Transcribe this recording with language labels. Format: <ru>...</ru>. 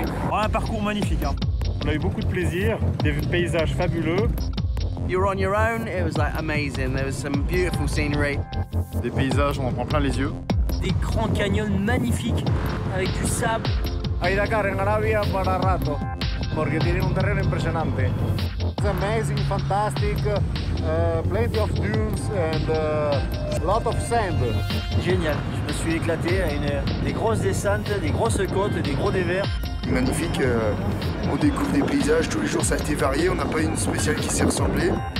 <fr>On a eu beaucoup de plaisir, des paysages fabuleux.</fr> <en>You're on your own, it was like amazing. There was some beautiful scenery.</en> <fr>Des paysages, on en prend plein les yeux. Des grands canyons magnifiques avec du sable.</fr> <es>Hay Dakar en Arabia para rato, porque tienen un terreno impresionante.</es> <en>It's amazing, fantastic, plenty of dunes and lot of sand.</en> <fr>Génial, je me suis éclaté à une des grosses descentes, des grosses côtes, des gros dévers. Magnifique, on découvre des paysages, tous les jours ça a été varié, on n'a pas une spéciale qui s'est ressemblée.</fr>